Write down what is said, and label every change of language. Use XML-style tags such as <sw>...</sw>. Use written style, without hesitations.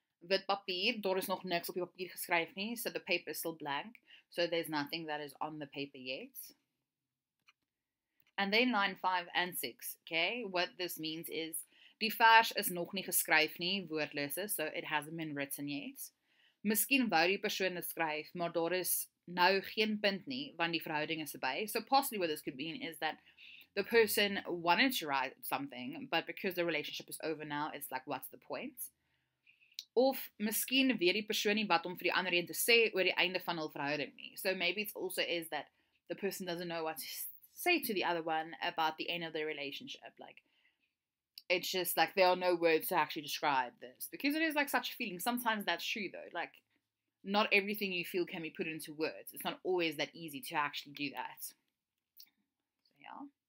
<af>Wit papier, daar is nog niks op die papier geskryf nie.</af> <en>So the paper is still blank. So there's nothing that is on the paper yet. And then line 5 and 6, okay? What this means is,</en> <af>die vers is nog nie geskryf nie, woordlose,</af> <en>so it hasn't been written yet.</en> <af>Miskien wou die persoon dit skryf, maar daar is nou geen punt nie, want die verhouding is verby.</af> <en>So possibly what this could mean is that the person wanted to write something, but because the relationship is over now, it's like, what's the point?</en> <af>Of miskien weet die persoon nie wat om vir die ander een te sê oor die einde van hul verhouding nie.</af> <en>So maybe it also is that the person doesn't know what to say to the other one about the end of their relationship. Like, it's just, like, there are no words to actually describe this. Because it is, like, such a feeling. Sometimes that's true, though. Like, not everything you feel can be put into words. It's not always that easy to actually do that. So, yeah.</en>